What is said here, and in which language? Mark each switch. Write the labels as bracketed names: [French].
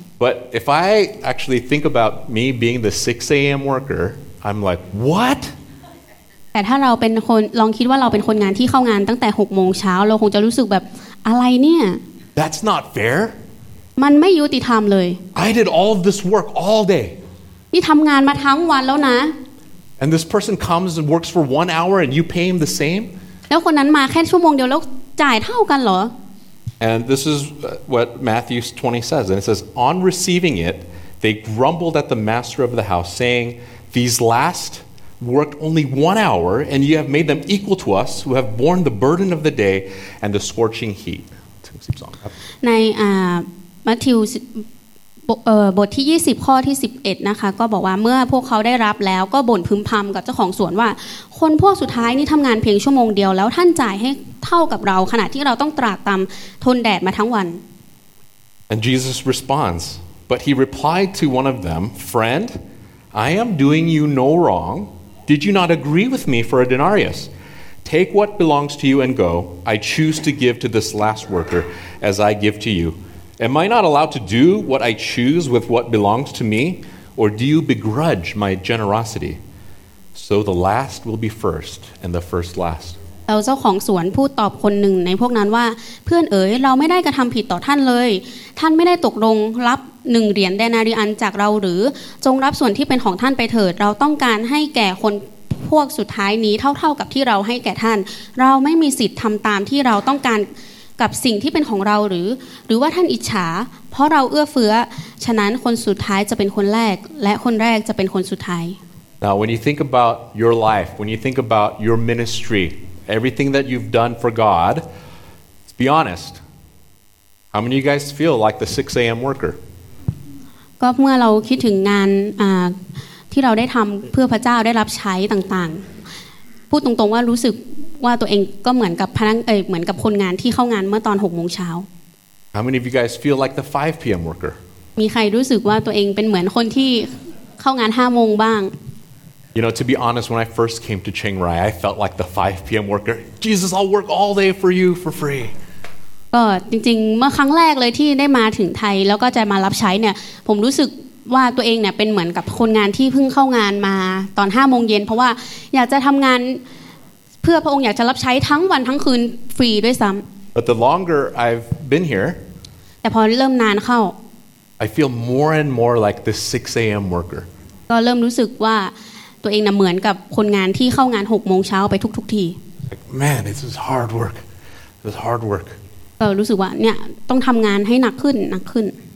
[English] But if I actually think about me being the 6 a.m. worker, I'm like, what? [Thai] แต่ถ้าเราเป็นคนลองคิดว่าเราเป็นคนงานที่เข้างานตั้งแต่หกโมงเช้าเราคงจะรู้สึกแบบอะไรเนี่ย [English] That's not fair. [Thai] มันไม่ยุติธรรมเลย [English] I did all of this work all day. [Thai] นี่ทำงานมาทั้งวันแล้วนะ [English] And this person comes and works for 1 hour and you pay him the same? [Thai] แล้วคนนั้นมาแค่ชั่วโมงเดียวแล้วจ่ายเท่ากันเหรอ [English] And this is what Matthew 20 says. And it says, On receiving it, they grumbled at the master of the house, saying, These last worked only 1 hour, and you have made them equal to us, who have borne the burden of the day and the scorching heat. [Thai] ในMatthew บทที่20ข้อที่11นะคะก็บอกว่าเมื่อพวกเขาได้รับแล้วก็บ่นพึมพำกับเจ้าของสวนว่าคนพวกสุดท้ายนี่ทำงานเพียงชั่วโมงเดียวแล้วท่านจ่ายให้เท่ากับเราขณะที่เราต้องตรากตรำทนแดดมาทั้งวัน [English] And Jesus responds but he replied to one of them friend I am doing you no wrong did you not agree with me for a denarius take what belongs to you and go I choose to give to this last worker as I give to you am I not allowed to do what I choose with what belongs to me or do you begrudge my generosity so the last will be first and the first last [Thai] แล้วเจ้าของสวนพูดตอบคนหนึ่งในพวกนั้นว่าเพื่อนเอ๋ยเราไม่ได้กระทำผิดต่อท่านเลยท่านไม่ได้ตกลงรับ1เหรียญเดนาริอันจากเราหรือจงรับส่วนที่เป็นของท่านไปเถิดเราต้องการให้แก่คนพวกสุดท้ายนี้เท่าๆกับที่เราให้แก่ท่านเราไม่มีสิทธิ์ทำตามที่เราต้องการกับสิ่งที่เป็นของเราหรือว่าท่านอิจฉาเพราะเราเอื้อเฟื้อฉะนั้นคนสุดท้ายจะเป็นคนแรกและคนแรกจะเป็นคนสุดท้าย [English] Now when you think about your life when you think about your ministryEverything that you've done for God, let's be honest. How many of you guys feel like the 6 a.m. worker? [Thai] ก็เมื่อเราคิดถึงงานที่เราได้ทำเพื่อพระเจ้าได้รับใช้ต่างๆพูดตรงๆว่ารู้สึกว่าตัวเองก็เหมือนกับพนักเหมือนกับคนงานที่เข้างานเมื่อตอน 6:00 น. [English] How many of you guys feel like the 5 p.m. worker? [Thai] มีใครรู้สึกว่าตัวเองเป็นเหมือนคนที่เข้างาน 5:00 น. บ้าง [English] You know, to be honest, when I first came to Chiang Rai, I felt like the 5 p.m. worker. Jesus, I'll work all day for you for free. [Thai] ก็จริงๆเมื่อครั้งแรกเลยที่ได้มาถึงไทยแล้วก็จะมารับใช้เนี่ยผมรู้สึก ว่าตัวเองเนี่ยเป็นเหมือนกับคนงานที่เพิ่งเข้างานมาตอน 5:00 น.เพราะว่าอยากจะทํางานเพื่อพระองค์อยากจะรับใช้ทั้งวันทั้งคืนฟรีด้วยซ้ํา [English] But the longer I've been here [Thai] แต่พอเริ่มนานเข้า [English] I feel more and more like the 6 a.m. worker [Thai] ก็เริ่มรู้สึกว่าตัวเองน่ะเหมือนกับคนงานที่เข้างาน 6:00 น. ไปทุกๆที [English] Like, man, this is hard work. This is hard work. [Thai] ก็รู้สึกว่าเนี่ยต้องทำงานให้หนักขึ้นหนักขึ้น